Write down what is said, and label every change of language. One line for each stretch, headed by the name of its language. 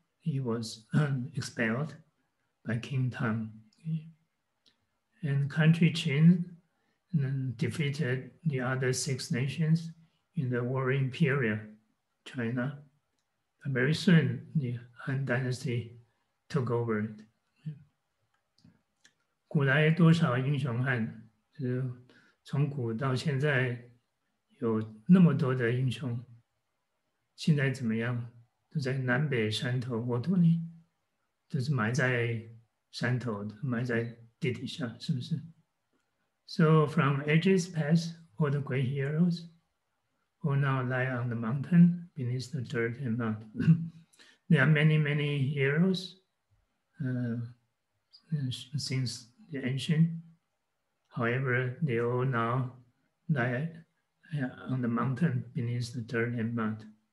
English: He was expelled by King Tang. And country Qin defeated the other six nations in the warring period, China. And very soon, the Han Dynasty took over it.
Chinese: 古来多少英雄汉, 从古到现在有那么多的英雄, 现在怎么样? 都在南北山头国土里, 都是埋在山头, 埋在地底下, 是不是?
English: So from ages past, all the great heroes who now lie on the mountain beneath the dirt and mud. There are many, many heroes since the ancient. However, they all now lie on the mountain beneath the dirt and mud.